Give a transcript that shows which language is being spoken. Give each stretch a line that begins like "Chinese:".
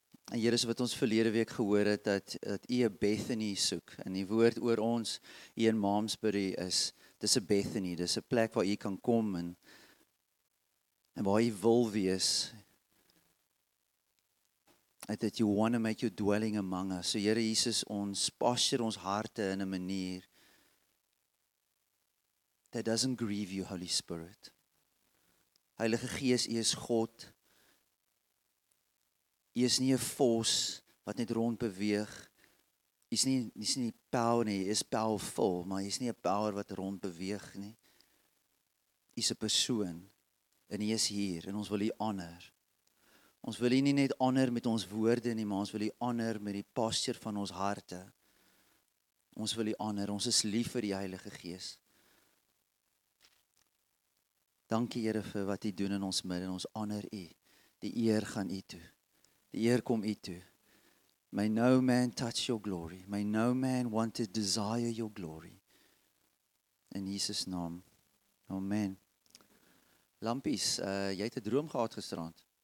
Afrikaans: En Here, so wat ons verlede week gehoor het, dat jy 'n Bethany soek. En die woord oor ons hier in Malmesbury is, dis 'n Bethany. Dis 'n plek waar jy kan kom en waar jy wil wees.
English: That you want to make your dwelling among us. So Here, Jesus,
Afrikaans: ons pasture ons harte in 'n manier
English: that doesn't grieve you, Holy Spirit.
Afrikaans: Heilige Gees, U is God. U is nie 'n force wat net rond beweeg. U is nie power nie, U is powerful, maar U is nie 'n power wat rond beweeg nie. U is 'n persoon en U is hier en ons wil U honor. Ons wil U nie net honor met ons woorde nie, maar ons wil U honor met die pasture van ons harte. Ons wil U honor, ons is lief vir die Heilige Gees. Dankie Here vir wat U doen in ons midde en ons honor U. Die eer gaan U toe. Die eer kom U toe.
English: May no man touch your glory. May no man want to desire your glory.
Afrikaans: In Jesus naam. Amen. Lampies, jy het 'n droom gehad gisterand.